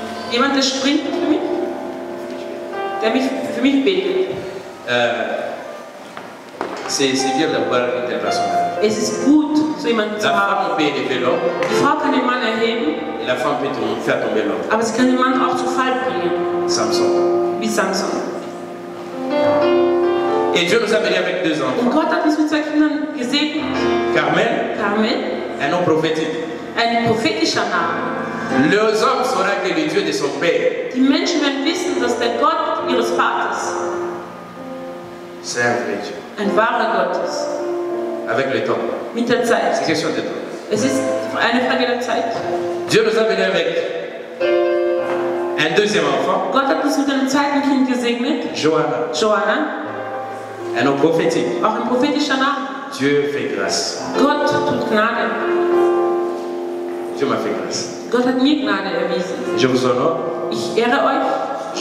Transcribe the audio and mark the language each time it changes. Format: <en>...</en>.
<de>Jemand, der springt für mich, der mich für mich betet.</de> <fr>C'est bien d'avoir une intervention.</fr> <de>Es ist gut, so jemanden zu haben. Die Frau kann den Mann erheben.</de> <fr>Et la femme peut faire tomber l'homme.</fr> <de>Aber sie kann den Mann auch zu Fall bringen.</de> <fr>Samson.</fr> <de>Wie Samson.</de> <fr>Et Dieu nous a béni avec deux enfants.</fr> <de>Und Gott hat uns mit zwei Kindern gesegnet.</de> <fr>Carmel.</fr> <de>Carmel.</de> <fr>Un nom prophétique.</fr> <de>Ein prophetischer Name.</de> <fr>Les hommes sauront que le Dieu de son père.</fr> <de>Die Menschen werden wissen, dass der Gott ihres Vaters.</de> <fr>C'est un vrai Dieu.</fr> <de>Ein wahrer Gott ist.</de> <fr>Avec le temps.</fr> <de>Mit der Zeit.</de> <fr>C'est question de temps.</fr> <de>Es ist eine Frage der Zeit.</de> <fr>Dieu nous a béni avec un deuxième enfant.</fr> <de>Gott hat uns mit einem zweiten Kind gesegnet.</de> <fr>Johanna.</fr> <de>Johanna.</de> <fr>Un nom prophétique.</fr> <de>Auch ein prophetischer Name.</de> <fr>Dieu fait grâce.</fr> <de>Gott tut Gnade.</de> <fr>Dieu m'a fait grâce.</fr> <de>Gott hat mir Gnade erwiesen.</de> <fr>Je vous honore.</fr> <de>Ich ehre euch.</de>